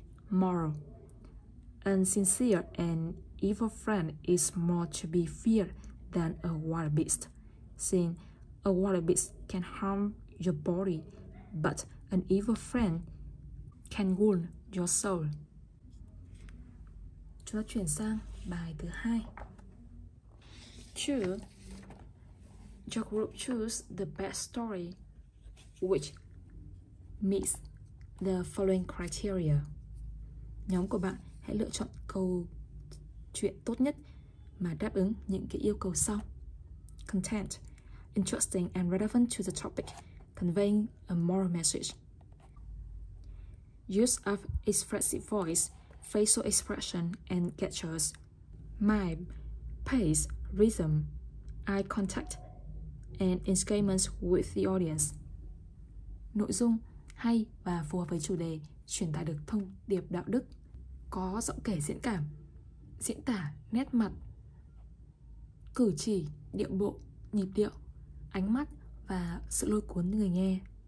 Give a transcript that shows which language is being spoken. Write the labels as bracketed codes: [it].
[en] Moral: unsincere and evil friend is more to be feared than a wild beast, since a wild beast can harm your body, but an evil friend can wound your soul. [vi] Chúng ta chuyển sang bài thứ hai. [en] True. Your group choose the best story, which meets the following criteria. [vi] Nhóm của bạn hãy lựa chọn câu chuyện tốt nhất mà đáp ứng những cái yêu cầu sau. [en] Content: interesting and relevant to the topic, conveying a moral message. Use of expressive voice, facial expression and gestures. Mime: pace, rhythm, eye contact and engagement with the audience. [vi] Nội dung: hay và phù hợp với chủ đề, truyền tải được thông điệp đạo đức, có giọng kể diễn cảm, diễn tả nét mặt, cử chỉ, điệu bộ, nhịp điệu, ánh mắt và sự lôi cuốn người nghe.